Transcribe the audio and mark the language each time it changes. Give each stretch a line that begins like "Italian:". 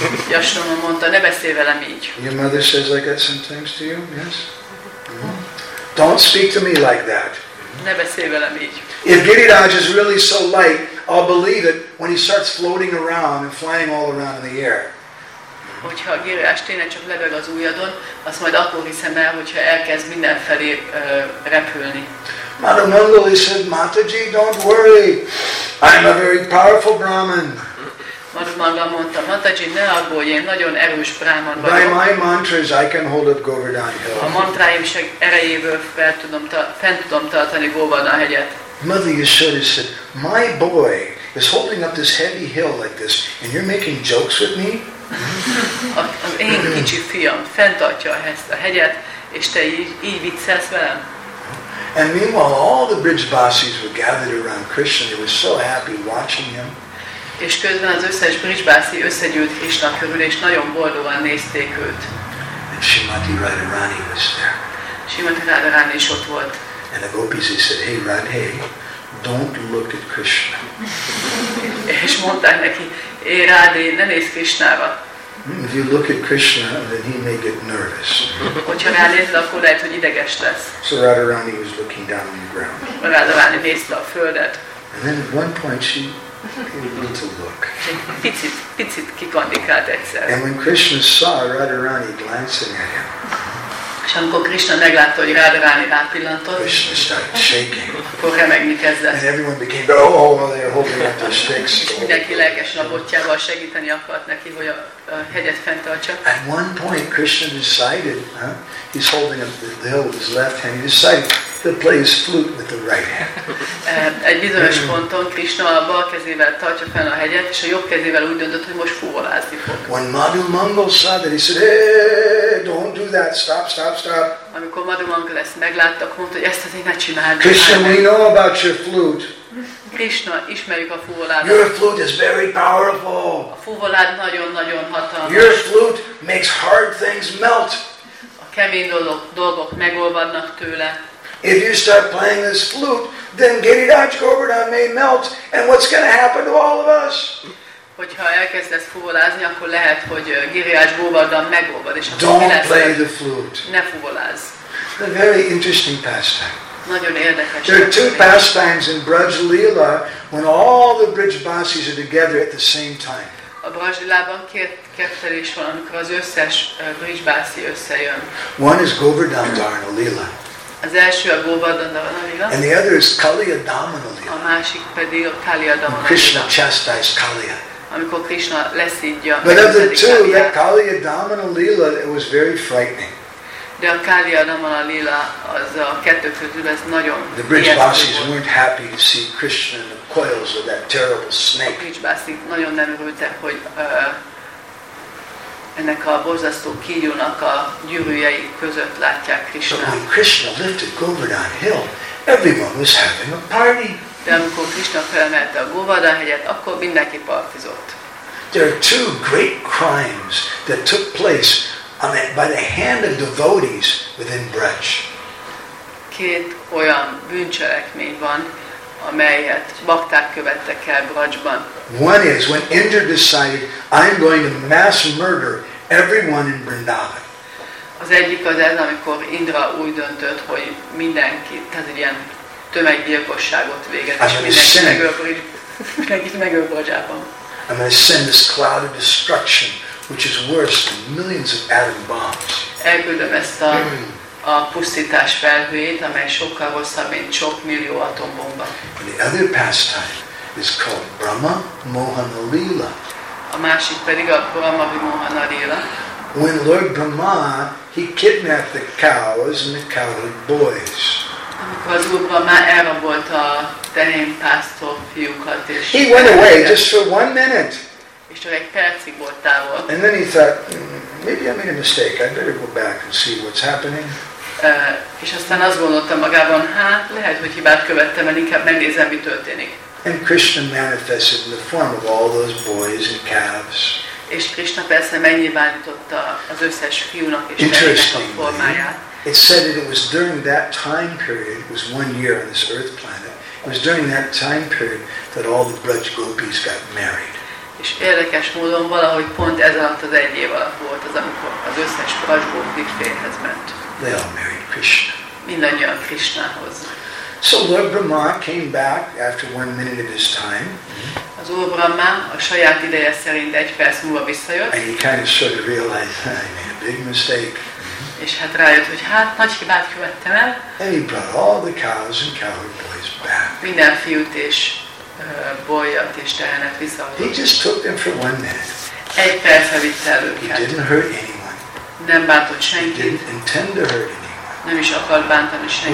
Hungarian: Yashoda mondta, ne beszélj velem így.
English: Your mother says I got some things to you, yes? Mm-hmm. Don't speak to me like that.
Hungarian: Ne beszélj velem így.
English: If Giriraj is really so light, I'll believe it when he starts floating around and flying all around in the air.
Hungarian: Hogyha a Giriraj tényleg csak lebeg az ujjadon, azt majd akkor hiszem el, hogyha elkezd mindenfelé repülni.
English: Mata Mangali said, Mataji, don't worry, I'm a very powerful Brahman.
Hungarian: Mata Mangali mondta, Mataji, ne aggódj, én nagyon erős Brahman vagyok.
English: By my mantras, I can hold up Govardhan Hill.
Hungarian: A mantráim erejéből fent tudom tartani Govardhan hegyet.
English: Mother Yashoda said, my boy is holding up this heavy hill like this, and you're making jokes with me?
Hungarian: Az én kicsi fiam fenntartja ezt a hegyet, és te így viccelsz velem?
English: And meanwhile, all the bridge bossies were gathered around Krishna. They were so happy watching him.
Hungarian: És közben az összes bridge bossi összegyűlt Krishna körül, és nagyon boldogan nézték őt.
English: And Srimati Radharani was there.
Hungarian: Srimati Radharani is ott volt.
English: And the gopis, he said, hey Radhe, don't look at Krishna.
Hungarian: És mondták neki, hey Radhe, ne nézz Krishnára.
English: If you look at Krishna, then he may get nervous.
Hungarian: Hogyha ránézel, akkor lehet, hogy ideges lesz.
English: So Radharani was looking down on the ground.
Hungarian: Radharani nézte a földet.
English: And then at one point she gave a little look.
Hungarian: Picit kikandikált egyszer.
English: And when Krishna saw Radharani glancing at him.
Hungarian: És amikor Krishna meglátta, hogy Radharani rápillantott.
English: Krishna started shaking.
Hungarian: Akkor remegni kezdett.
English: And everyone became, oh, well, they're holding up their sticks.
Hungarian: És mindenki lelkesen a botjával segíteni akart neki, hogy a hegyet fenntartsa.
English: At one point Krishna decided, he's holding up the hill with his left hand, he decided to play his flute with the right hand.
Hungarian: Egy bizonyos ponton Krishna a bal kezével tartja fenn a hegyet, és a jobb kezével úgy döntött, hogy most fuvolázni fog.
English: When Madhu Mangal saw that, he said, hey, don't do that, stop.
Hungarian: Amikor Madhu Mangal ezt meglátta, akkor mondta, hogy ezt azért ne csináld.
English: Krishna, we know about your flute.
Hungarian: Krishna, ismerjük a fuvoládat.
English: Your flute is very powerful.
Hungarian: A fuvolád nagyon-nagyon hatalmas.
English: Your flute makes hard things melt.
Hungarian: A kemény dolgok megolvadnak tőle.
English: If you start playing this flute, then Giriraj Govardhan may melt, and what's going to happen to all of us?
Hungarian: Hogyha elkezdesz fuvolázni, akkor lehet, hogy Giriraj Govardhan megolvad, és akkor mi lesz?
English: Don't play the flute.
Hungarian: Ne fuvolázz.
English: A very interesting pastime.
Hungarian: Nagyon érdekes.
English: There are two pastimes in Braj Lila when all the bridge bossies are together at the same time.
Hungarian: A Braj Lilában két kettelés van, amikor az összes bridge bossi összejön.
English: One is Govardhan Dharana Lila.
Hungarian: Az első a Govardhan Dharana Lila.
English: And the other is Kaliya Damana Lila.
Hungarian: A másik pedig a Kaliya Damana Lila.
English: Krishna chastised Kaliya.
Hungarian: Amikor Krishna leszídja.
English: But of the two, that Kaliya Damana Lila, it was very frightening.
Hungarian: De a Kaliya Damana Lila az a kettő közül ez nagyon.
English: The bridge bossies weren't happy to see Krishna in the coils of that terrible snake.
Hungarian: A bridge bossies nagyon nem örültek, hogy ennek a borzasztó kígyónak a gyűrűjei között látják Krishna.
English: But when Krishna lifted Govardhan Hill, everyone was having a party.
Hungarian: De amikor Krishna felemelte a Govardhan hegyet, akkor mindenki partizott.
English: There are two great crimes that took place by the hand of devotees within Braj.
Hungarian: Két olyan bűncselekmény van, amelyet bakták követtek el Brajban.
English: One is when Indra decided, I'm going to mass murder everyone in Vrindavan.
Hungarian: Az egyik az ez, amikor Indra úgy döntött, hogy mindenki, tehát ilyen tömeggyilkosságot véget, és mindenki megöl Brajában.
English: I'm going to send this cloud of destruction, which is worse than millions of atom bombs.
Hungarian: Elküldöm ezt a pusztítás felhőjét, amely sokkal rosszabb, mint sok millió atombomba.
English: And the other pastime is called Brahma Mohana Lila.
Hungarian: A másik pedig a Brahma Mohana Lila.
English: When Lord Brahma, he kidnapped the cows and the cowherd boys.
Hungarian: Amikor az Úr Brahma elrabolt a tehén pásztor fiúkat és...
English: He went away just for one minute.
Hungarian: És csak egy percig volt távol.
English: And then he thought, maybe I made a mistake. I better go back and see what's happening.
Hungarian: És aztán azt gondoltam magában, hát lehet, hogy hibát követtem, mert inkább megnézem, mi történik.
English: And Krishna manifested in the form of all those boys and calves.
Hungarian: És Krishna persze megnyilvánította az összes fiúnak és gyereknek a formáját.
English: It said that it was during that time period, it was 1 year on this earth planet, it was during that time period that all the Braj gopis got married.
Hungarian: És érdekes módon valahogy pont ez alatt az egy év alatt volt az, amikor az összes Braj gopi férjhez ment.
English: They all married Krishna.
Hungarian: Mindannyian Krishnához.
English: So Lord Brahma came back after 1 minute of his time.
Hungarian: Az Úr Brahma a saját ideje szerint egy perc múlva visszajött.
English: And he kind of sort of realized that I made a big mistake.
Hungarian: És hát rájött, hogy hát nagy hibát követtem el.
English: And he brought all the cows and cowherd boys back.
Hungarian: Minden fiút és bolyat és tehenet visszaadott.
English: He just took them for 1 minute.
Hungarian: Egy percre vitte el őket.
English: He didn't hurt anyone.
Hungarian: Nem bántott senkit.
English: He didn't intend to hurt anyone.
Hungarian: Nem is akart bántani senkit.